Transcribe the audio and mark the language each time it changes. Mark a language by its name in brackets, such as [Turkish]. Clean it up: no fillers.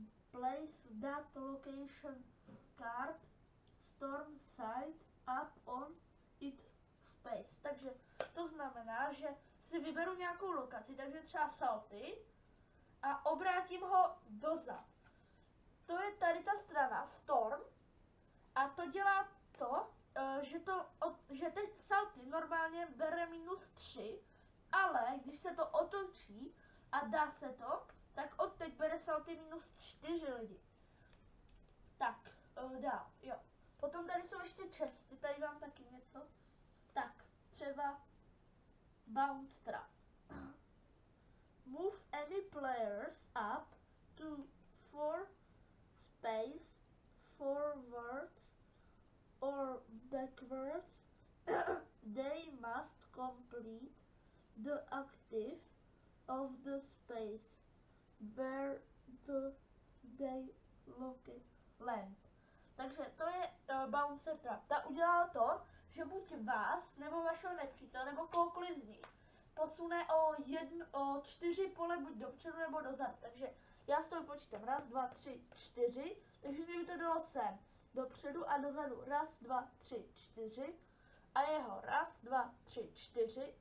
[English] Place that location card storm side up on it space. [Czech] Takže to znamená, že si vyberu nějakou lokaci, takže třeba salty a obrátím ho dozad. To je tady ta strana storm a to dělá to, že teď salty normálně bere -3, ale když se to otočí a dá se to, tak od teď bere salty -4 lidi. Tak, dál, jo. Potom tady jsou ještě chesty, tady vám taky něco. Tak, třeba bounce trap. [English] Move any players up to 4 space forwards or backwards. They must complete the active of the space where the they land. [Czech] Takže to je bouncer trap. Ta udělá to, že buď vás, nebo vašeho nepřítele, nebo koukoliv z nich posune o 4 pole buď dopředu nebo dozadu. Takže já s toho počítám. 1, 2, 3, 4. Takže mi by to dalo sem. Dopředu a dozadu. 1, 2, 3, 4. A jeho 1, 2, 3, 4.